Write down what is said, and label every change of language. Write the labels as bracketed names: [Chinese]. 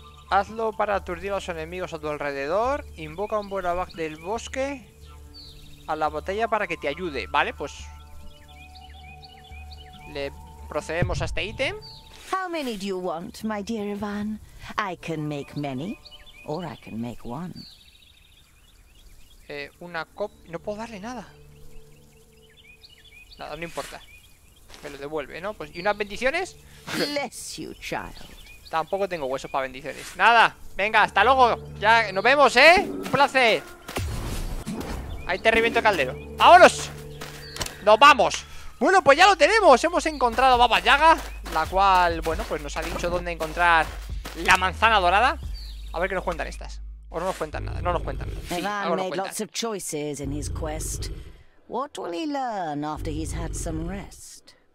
[Spanish] Hazlo para aturdir a los enemigos a tu alrededor. Invoca un Borabag del bosque a la botella para que te ayude. Vale, pues le procedemos a este ítem. [English] How many do you want, my dear Ivan? I can make many, or I can make one. [Spanish] Una cop... No puedo darle nada. Nada, no importa. Me lo devuelve, ¿no? Pues, ¿y unas bendiciones? [English] Bless you, child. [Spanish] Tampoco tengo huesos para bendiciones. Nada, venga, hasta luego. Ya, nos vemos, ¿eh? Un placer. Ahí te reviento el caldero. ¡Vámonos! ¡Nos vamos! Bueno, pues ya lo tenemos. Hemos encontrado a Baba Yaga, la cual, bueno, pues nos ha dicho dónde encontrar la manzana dorada. A ver qué nos cuentan estas. O no nos cuentan nada. No nos cuentan. Sí, [English] Ivan [Spanish] nos [English] made [Spanish] cuentan. [English] Lots of choices in his quest. What will he learn after he's had some rest?